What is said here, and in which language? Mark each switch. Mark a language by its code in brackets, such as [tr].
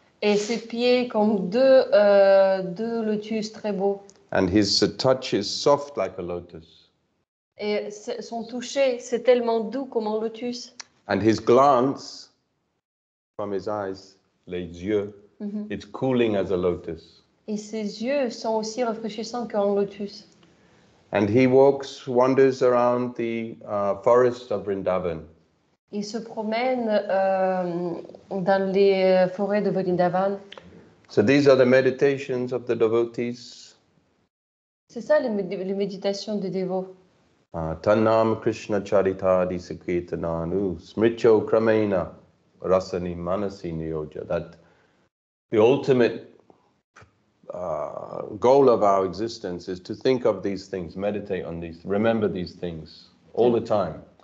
[fr] Et ses pieds comme deux lotus très beaux. [en] And his touch is soft like a lotus. [fr] Et son toucher, c'est tellement doux comme un lotus. [en] And his glance from his eyes, [fr] les yeux, [en] it's cooling as a lotus. [fr] Et ses yeux sont aussi rafraîchissants qu'un lotus. [en] And he walks, wanders around the forest of Vrindavan. [fr] Il se promène dans les forêts de Vrindavan. [en] So these are the meditations of the devotees. [fr] C'est ça les méditations des dévots. [sa] Tannam Krishna Charita Adi Sikirtananu Smricho Kramena Rasani Manasi Niyoja. [en] That the ultimate goal of our existence is to think of these things, meditate on these, remember these things all the time.